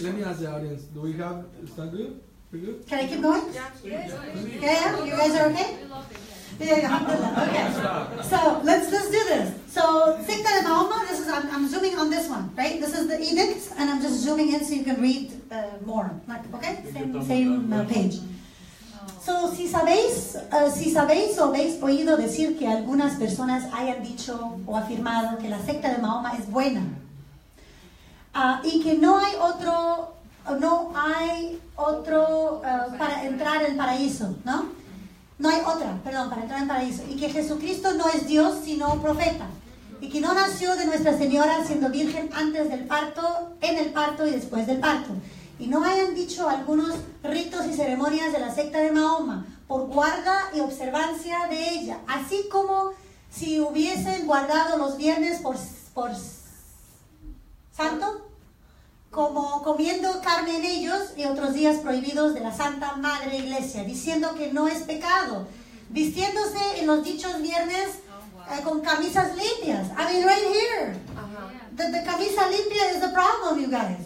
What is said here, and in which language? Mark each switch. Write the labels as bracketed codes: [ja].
[en] Let me ask the audience. Do we have, is that good? Pretty good? Can I keep going? Yeah. You guys are okay? Yeah, okay. So let's just do this. So, I'm zooming on this one, right? This is the edict, and I'm just zooming in so you can read more. Okay? Same page. [es] So, si sabéis o habéis oído decir que algunas personas hayan dicho o afirmado que la secta de Mahoma es buena, y que no hay otro para entrar al paraíso, ¿no? No hay otra, perdón, para entrar en paraíso. Y que Jesucristo no es Dios, sino profeta. Y que no nació de Nuestra Señora siendo virgen antes del parto, en el parto y después del parto. Y no hayan dicho algunos ritos y ceremonias de la secta de Mahoma por guarda y observancia de ella. Así como si hubiesen guardado los viernes por santo, como comiendo carne en ellos y otros días prohibidos de la Santa Madre Iglesia, diciendo que no es pecado, vistiéndose en los dichos viernes con camisas limpias. [en] I mean, right here. Uh-huh. The camisa limpia is the problem, you guys.